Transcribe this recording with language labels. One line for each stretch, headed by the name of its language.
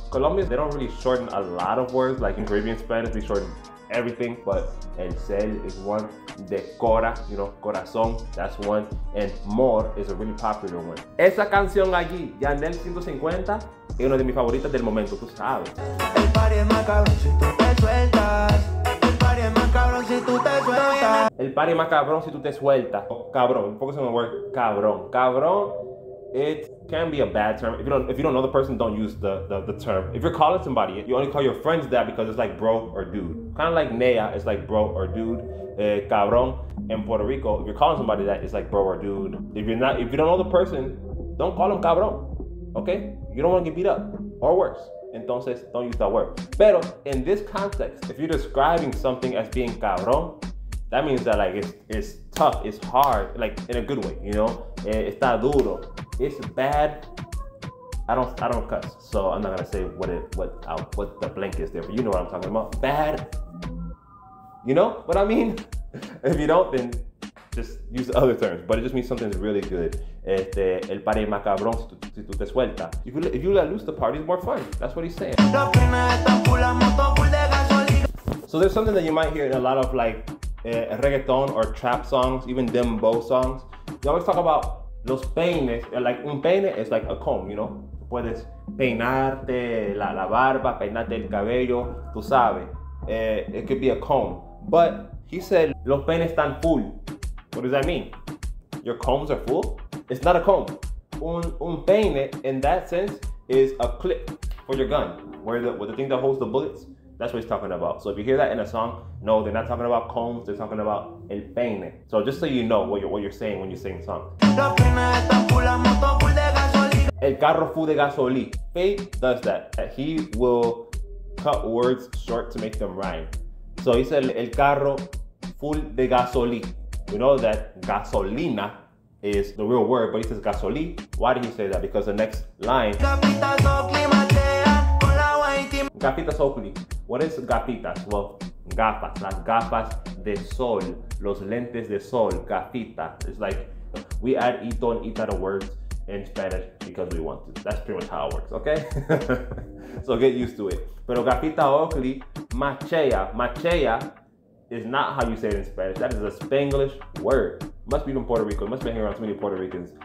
English: Colombians, they don't really shorten a lot of words, like in Caribbean Spanish, they shorten everything, but el cel is one.
Spanish: De cora,
English: you know, corazón, that's one. And more is a really popular one.
Spanish: Esa canción allí, Yandel 150, es una de mis favoritas del momento, tú sabes. El party es macabrón si tú te sueltas. El party es macabrón si tú te sueltas. El party es macabrón si tú te sueltas.
English: Oh, cabrón, focus on the word cabrón. Cabrón, it can be a bad term. If you don't know the person, don't use the term. If you're calling somebody, you only call your friends that because it's like bro or dude. Kind of like nea, it's like bro or dude. Cabrón, in Puerto Rico, if you're calling somebody that, it's like bro or dude. If you don't know the person, don't call them cabrón, okay? You don't want to get beat up, or worse. Entonces, don't use that word. Pero, in this context, if you're describing something as being cabrón, that means that, like, it's tough, it's hard, like, in a good way, you know?
Spanish: Está duro.
English: It's bad. I don't cuss, so I'm not gonna say what the blank is there, but you know what I'm talking about. Bad. You know what I mean? If you don't, then just use other terms. But it just means something's really good.
Spanish: El party es macabrón si tú te sueltas.
English: If you let loose, the party's more fun. That's what he's saying. So there's something that you might hear in a lot of like reggaeton or trap songs, even dembow songs. You always talk about los peines. Like un peine is like a comb, you know?
Spanish: Puedes peinarte la barba, peinarte el cabello, tú sabes.
English: It could be a comb. But he said,
Spanish: los peines están full.
English: What does that mean? Your combs are full? It's not a comb. Un peine, in that sense, is a clip for your gun. Where the thing that holds the bullets, that's what he's talking about. So if you hear that in a song, no, they're not talking about combs, they're talking about el peine. So just so you know what you're saying when you're singing songs.
Spanish: Los peines están full, la moto full de gasolina. El carro full de gasolina.
English: Feid does that. He will cut words short to make them rhyme. So he said,
Spanish: el carro full de gasolina.
English: You know that gasolina is the real word, but he says gasolina. Why did he say that? Because the next line.
Spanish: Gapitas o climatea, gapitas o cli.
English: What is gapitas?
Spanish: Well, gafas, las gafas de sol, los lentes de sol, gafita.
English: It's like we add ito and ita to words in Spanish because we want to. That's pretty much how it works, okay? So get used to it.
Spanish: Pero gafita o cli. Machea.
English: Machea is not how you say it in Spanish. That is a Spanglish word. Must be from Puerto Rico. Must be hanging around too many Puerto Ricans.